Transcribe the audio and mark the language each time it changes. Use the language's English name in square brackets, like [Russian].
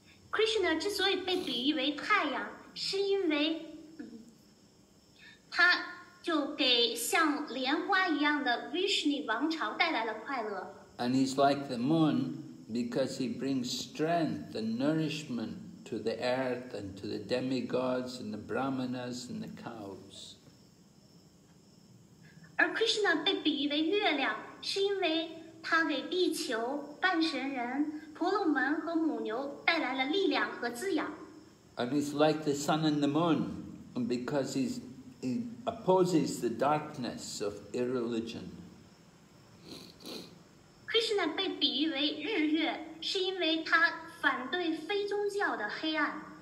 [Chinese] Krishna 之所以被比喻为太阳，是因为他就给像莲花一样的 Vrishni 王朝带来了快乐。 [English] And he's like the moon because he brings strength and nourishment. To the earth and to the demigods and the brahmanas and the cows. [Chinese] 而 Krishna 被比喻为月亮，是因为他给地球、半神人、婆罗门和母牛带来了力量和滋养。 [English] And he's like the sun and the moon, and because he opposes the darkness of irreligion. [Chinese] Krishna 被比喻为日月，是因为他。反对非宗教的黑暗。